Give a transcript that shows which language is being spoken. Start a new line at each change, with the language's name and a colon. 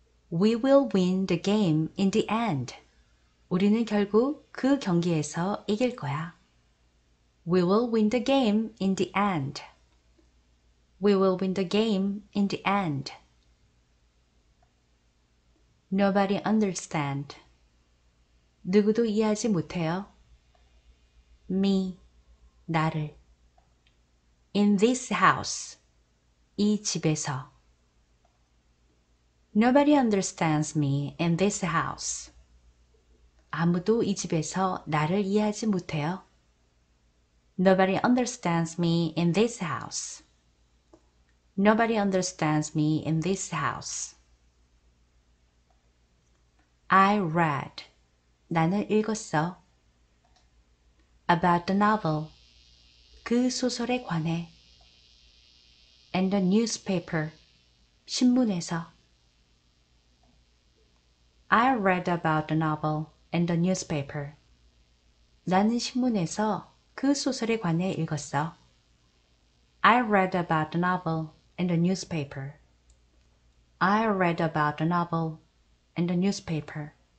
English: We will win the game in the end.
Korean: 우리는 결국 그 경기에서 이길 거야.
English: We will win the game in the end. We will win the game in the end. Nobody understand.
Korean: 누구도 이해하지 못해요.
English: Me.
Korean: 나를.
English: In this house.
Korean: 이 집에서.
English: Nobody understands me in this house.
Korean: 아무도 이 집에서 나를 이해하지 못해요.
English: Nobody understands me in this house. Nobody understands me in this house. I read.
Korean: 나는 읽었어.
English: About the novel.
Korean: 그 소설에 관해.
English: And the newspaper.
Korean: 신문에서.
English: I read about the novel in the newspaper.
Korean: 나는 신문에서 그 소설에 관해 읽었어.
English: I read about the novel in the newspaper. I read about the novel in the newspaper.